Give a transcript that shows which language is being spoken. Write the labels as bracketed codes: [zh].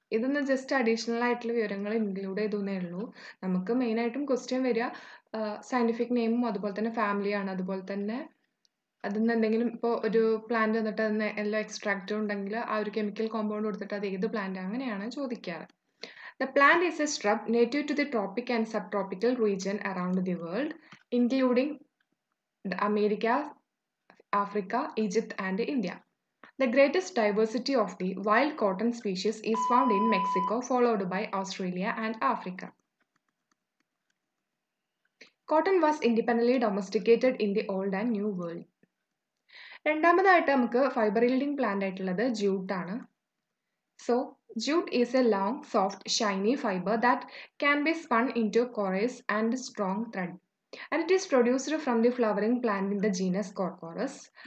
[ml] ഇതൊന്ന് just additional ആയിട്ടുള്ള വിവരങ്ങൾ ഇൻക്ലൂഡ് ചെയ്തുതന്നേ ഉള്ളൂ. നമുക്ക് മെയിനായിട്ടും ക്വസ്റ്റ്യൻ വരിക സയൻറ്റിഫിക് നെയിമും അതുപോലെ തന്നെ ഫാമിലിയാണ്, അതുപോലെ തന്നെ അതിൽ നിന്ന് എന്തെങ്കിലും ഇപ്പോൾ ഒരു പ്ലാന്റ് വന്നിട്ട് അതിന് എല്ലാം എക്സ്ട്രാക്റ്റ് ഉണ്ടെങ്കിൽ ആ ഒരു കെമിക്കൽ കോമ്പൗണ്ട് കൊടുത്തിട്ട് അത് ഏത് പ്ലാന്റ്, അങ്ങനെയാണ് ചോദിക്കാറ്. [en] The plant is a shrub native to the tropic and subtropical region around the world, including the America, Africa, Egypt and India. The greatest diversity of the wild cotton species is found in Mexico, followed by Australia and Africa. Cotton was independently domesticated in the Old and New World. [ml] രണ്ടാമതായിട്ട് നമുക്ക് fibre yielding plant ആയിട്ടുള്ളത് jute ആണ്. [en] So jute is a long soft shiny fibre that can be spun into coarse and strong thread and it is produced from the flowering plant in the genus Corchorus.